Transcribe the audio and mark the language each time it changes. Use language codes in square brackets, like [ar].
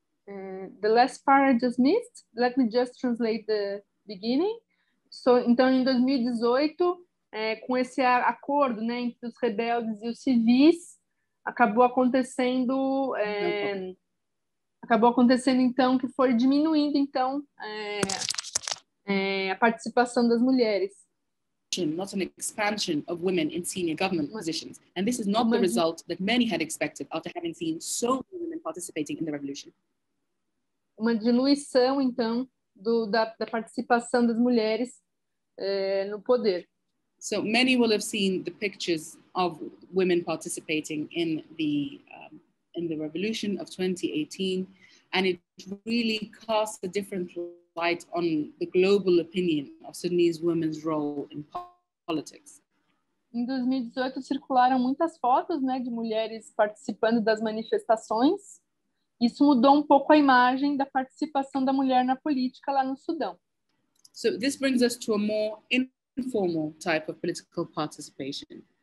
[en] The last part I just missed, let me just translate the beginning. So, [pt] então, em 2018, com esse acordo, né, entre os rebeldes e os civis, acabou acontecendo então que foi diminuindo então a participação das mulheres. [en] Not an expansion of women in senior government positions, and this is not the result that many had expected after having seen so many women participating in the revolution. [pt] Uma diluição então da participação das mulheres no poder. [en] So many will have seen the pictures of women participating in the revolution of 2018, and it really casts a different light on the global opinion of Sudanese women's role in politics. [pt] Em 2018 circularam muitas fotos, né, de mulheres participando das manifestações. Isso mudou um pouco a imagem da participação da mulher na política lá no Sudão. [en] So this brings us to a more informal type of political participation.